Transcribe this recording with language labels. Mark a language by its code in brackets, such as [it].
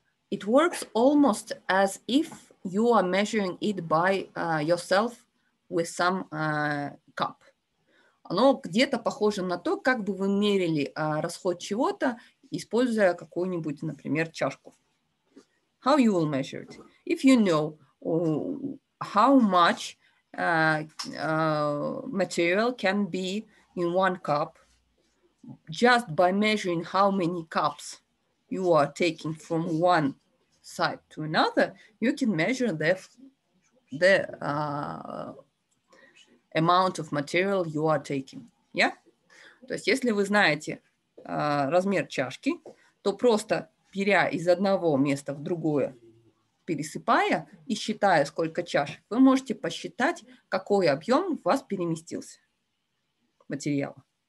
[en] It works almost as if you are measuring it by yourself with some cup. [ru] Оно где-то похоже на то, как бы вы мерили расход чего-то, используя какую-нибудь, например, чашку. [en] How you will measure it? If you know how much material can be in one cup, just by measuring how many cups you are taking from one side to another, you can measure the amount of material you are taking. Yeah? [ru] То есть, если вы знаете размер чашки, то просто беря из одного места в другое, пересыпая и считая, сколько чашек, вы можете посчитать, какой объем в вас переместился материала.